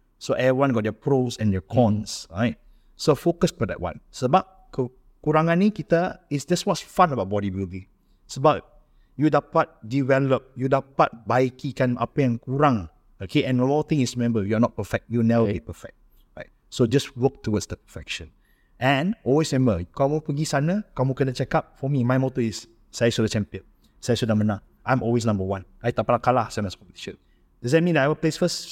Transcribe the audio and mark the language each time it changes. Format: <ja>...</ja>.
<en>So everyone got their pros and their cons. Right? So focus pada that one.</en> <ms>Sebab kekurangan ni kita,</ms> <en>is this what's fun about bodybuilding.</en> <ms>Sebab you dapat develop, you dapat baikikan apa yang kurang.</ms> <en>Okay, and the whole thing is remember, you're not perfect. You never be perfect. Right? So just work towards the perfection. And always remember,</en> <ms>kamu pergi sana, kamu kena cakap,</ms> <en>for me, my motto is,</en> <ms>saya sudah champion. Saya sudah menang.</ms> <en>I'm always number one.</en> <ms>I tak pernah kalah sama competition.</ms> <en>Does that mean that I will place first?</en>